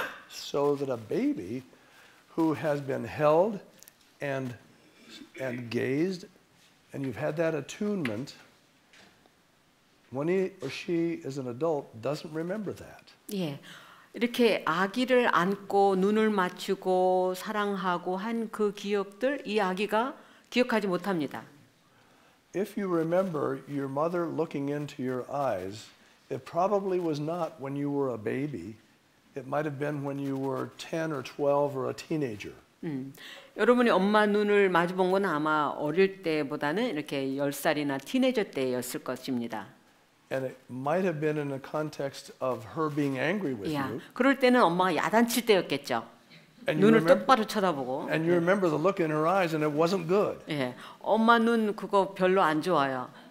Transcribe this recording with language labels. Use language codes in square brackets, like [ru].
[en] so that a baby who has been held and gazed, and you've had that attunement. When he or she is an adult, doesn't remember that. [ko] 예, 이렇게 아기를 안고 눈을 맞추고 사랑하고 한 그 기억들 이 아기가 기억하지 못합니다. [en] If you remember your mother looking into your eyes, it probably was not when you were a baby. It might have been when you were 10 or 12 or a teenager. [ko] 여러분이 엄마 눈을 마주본 건 아마 어릴 때보다는 이렇게 10살이나 티네이저 때였을 것입니다. [en] And it might have been in the context of her being angry with yeah, you. [ko] 그럴 때는 엄마가 야단칠 때였겠죠. [en] And [ko] 눈을 똑바로 쳐다보고. [en] And you remember the look in her eyes, and it wasn't good. [ko] 예, 엄마 눈 그거 별로 안 좋아요.